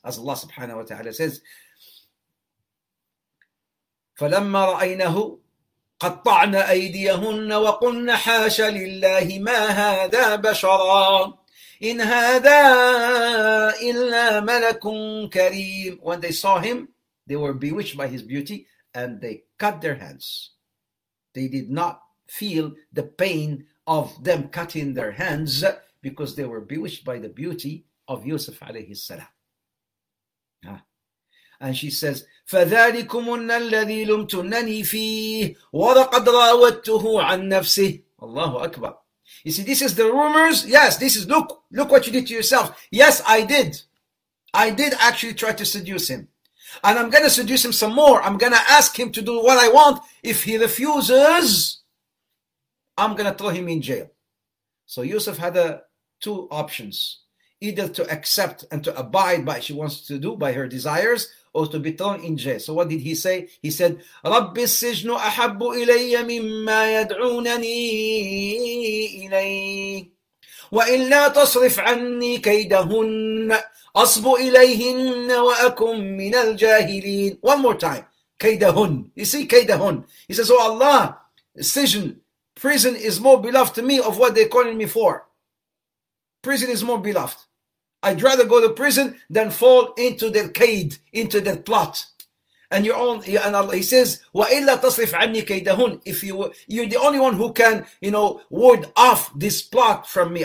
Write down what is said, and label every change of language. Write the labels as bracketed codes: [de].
[en] As Allah subhanahu wa ta'ala says, [ar] فَلَمَّا رَأَيْنَهُ قَطَّعْنَا أَيْدِيَهُنَّ وَقُلْنَا حَاشَ لِلَّهِ مَا هَذَا بَشَرًا إِنْ هَذَا إِلَّا مَلَكٌ كَرِيمٌ [en] When they saw him, they were bewitched by his beauty and they cut their hands. They did not feel the pain of them cutting their hands because they were bewitched by the beauty of Yusuf alayhi salam. And she says, [ar] فَذَٰلِكُمُنَّ الَّذِي لُمْتُنَّنِي فِيهِ وَلَقَدْ رَاوَدْتُهُ عَنْ نَفْسِهِ Allahu Akbar. [en] You see, this is the rumors. Yes, this is, look what you did to yourself. Yes, I did. I did actually try to seduce him. And I'm going to seduce him some more. I'm going to ask him to do what I want. If he refuses, I'm going to throw him in jail. So Yusuf had two options. Either to accept and to abide by what she wants to do, by her desires, or to be thrown in jail. So what did he say? He said, [ar] رَبِّ السِّجْنُ أَحَبُّ إِلَيَّ مِمَّا يَدْعُونَنِي إِلَيْهِ وَإِلَّا تَصْرِفْ عَنِّي كَيْدَهُنَّ أَصْبُ إِلَيْهِنَّ وَأَكُمْ مِنَ الْجَاهِلِينَ [en] One more time. [ar] كَيْدَهُن. [en] You see, كَيْدَهُن. He says, oh Allah, السجن, prison is more beloved to me of what they're calling me for. Prison is more beloved. I'd rather go to prison than fall into their qaid, into their plot. And your own, and Allah, he says, [ar] وَإِلَّا تَصْرِفْ عَنِّي كَيْدَهُنْ [en] If you're the only one who can, you know, ward off this plot from me.